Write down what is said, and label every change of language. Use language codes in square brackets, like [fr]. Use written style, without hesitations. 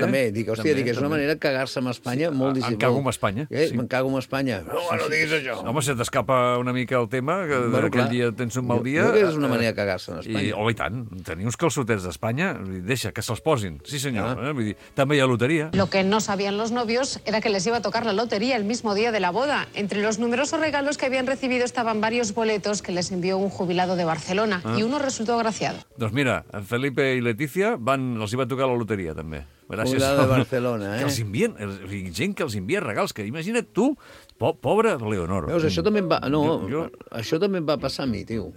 [ca] Clar, també, és una manera de cagar-se amb Espanya, sí, molt dissimulat. Me'n cago amb Espanya. No diguis això. Home, si t'escapa una mica el tema, que aquell dia tens un mal dia... Jo crec que és una manera de cagar-se amb Espanya. I tant, tenir uns calçotets d'Espanya... Deixa, que se'ls posin. Sí, senyor. Ah. Vull dir, també hi ha loteria. [es] Lo que no sabían los novios era que les iba a tocar la lotería el mismo día de la boda. Entre los numerosos regalos que habían recibido estaban varios boletos que les envió un jubilado de Barcelona. Ah. Y uno resultó agraciado. [ca] Doncs mira, Felipe i Letícia els [es] iba a tocar la lotería, [ca] també. [es] Gràcies. Jubilado de Barcelona, [ca] Que els envien, gent que els envia regals, que imagina't tu... Pobre Leonor. Veus, això també em va... No, jo... això també em va passar a mi, tio.